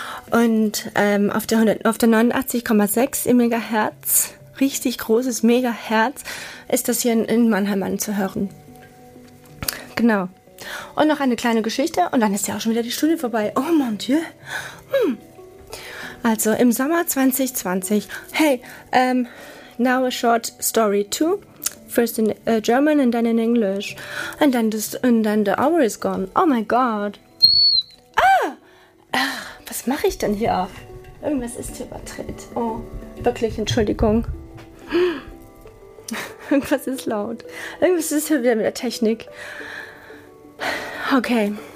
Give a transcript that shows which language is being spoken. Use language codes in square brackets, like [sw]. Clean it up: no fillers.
[de] Und auf der 89,6 im Megahertz, richtig großes Megahertz, ist das hier in Mannheim anzuhören. Genau. Und noch eine kleine Geschichte und dann ist ja auch schon wieder die Stunde vorbei. [fr] Oh mon Dieu. [de] Also im Sommer 2020. [en] Hey, now a short story too. First in German and then in English. And then the hour is gone. Oh my God. [de] Ah! Ach, was mache ich denn hier? Irgendwas ist hier übertritt. Oh, wirklich, Entschuldigung. Irgendwas ist laut. Irgendwas ist hier wieder mit der Technik. Okay.